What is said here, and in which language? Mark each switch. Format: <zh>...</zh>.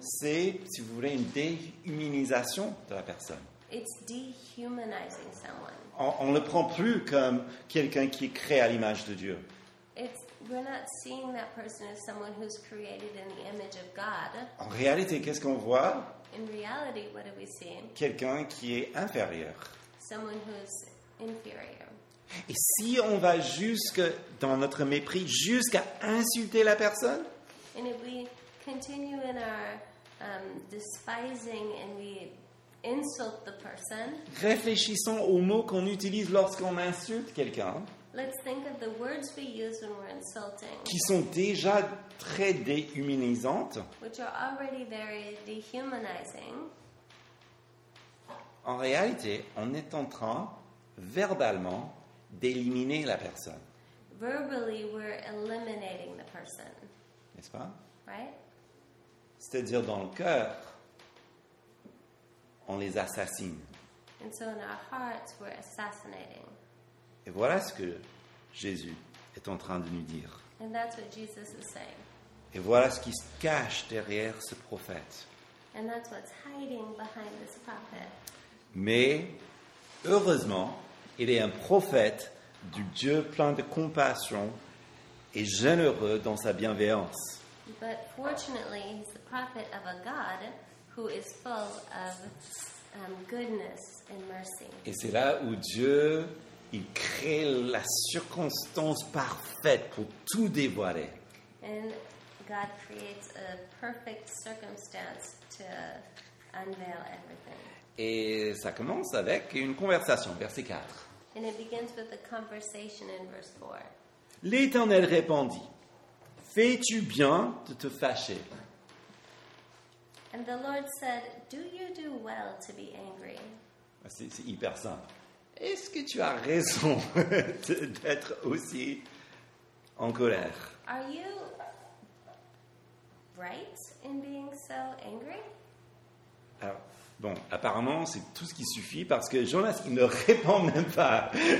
<fr>c'est, si vous voulez, une déhumanisation de la personne.</fr> <en>It's dehumanizing someone.</en> <fr>On ne le prend plus comme quelqu'un qui est créé à l'image de Dieu.</fr> <en>We're not seeing that person as someone who's created in the image of God.</en> <fr>En réalité, qu'est-ce qu'on voit?</fr> <en>In reality, what do we see?</en> <fr>Quelqu'un qui est inférieur.</fr> <en>Someone who's inferior.</en> <fr>Et si on va jusque dans notre mépris, jusqu'à insulter la personne?</fr> <en>And if we continue in our despising and we insult the person.</en> <fr>Réfléchissons aux mots qu'on utilise lorsqu'on insulte quelqu'un.</fr> <en>Let's think of the words we use when we're insulting.</en> <fr>Qui sont déjà très déhumanisantes.</fr> <en>Which are already very dehumanizing.</en> <fr>en réalité, on est en train verbalement d'éliminer la personne.</fr> <en>Verbally, we're eliminating the person.</en> <fr>N'est-ce pas?</fr> <en>Right?</en> <fr>C'est-à-dire dans le cœur, on les assassine.</fr> <en>And so in our hearts, we're assassinating.</en> <fr>Et voilà ce que Jésus est en train de nous dire.</fr> <en>And that's what Jesus is saying.</en> <fr>Et voilà ce qui se cache derrière ce prophète.</fr> <en>And that's what's hiding behind this prophet.</en> <fr>Mais heureusement, il est un prophète du Dieu plein de compassion et généreux dans sa bienveillance.</fr> <en>But fortunately, he's the prophet of a God who is full of goodness and mercy.</en> <fr>Et c'est là où Dieu, il crée la circonstance parfaite pour tout dévoiler.</fr> <en>And God creates a perfect circumstance to unveil everything.</en> <fr>Et ça commence avec une conversation, verset 4.</fr> <en>And it begins with a conversation in verse 4.</en> <fr>L'Éternel répondit, fais-tu bien de te fâcher?</fr> <en>And the Lord said, do you do well to be angry?</en> <fr>C'est hyper simple. Est-ce que tu as raison d'être aussi en colère?</fr> <en>Are you right in being so angry?</en> <fr>Alors, bon, apparemment, c'est tout ce qui suffit parce que Jonas, il ne répond même pas.</fr>